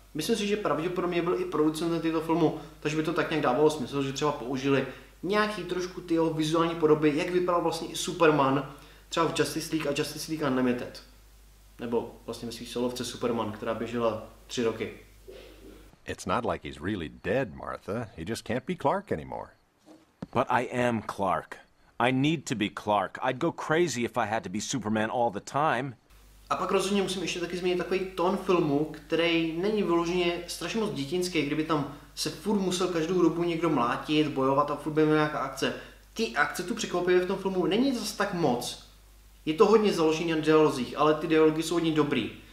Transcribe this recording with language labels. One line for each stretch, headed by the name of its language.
Czech: Myslím si, že pravděpodobně byl i producent této filmu, takže by to tak nějak dávalo smysl, že třeba použili nějaký trošku ty jeho vizuální podoby, jak vypadal vlastně i Superman třeba v Justice League a Justice League Unlimited. Nebo vlastně ve svých solovce Superman, která běžela 3 roky.
English: It's not like he's really dead, Martha. He just can't be Clark anymore. But I am Clark. I need to be Clark. I'd go crazy if I had to be Superman all the time.
Czech: A pak rozhodně musím ještě taky změnit takový tón filmu, který není vyloženě strašně moc dětinský, kdyby tam se furt musel každou dobu někdo mlátit, bojovat a furt by měl nějaká akce. Ty akce tu překvapivě v tom filmu není zase tak moc. Je to hodně založený na dialozích, ale ty dialogy jsou hodně dobrý.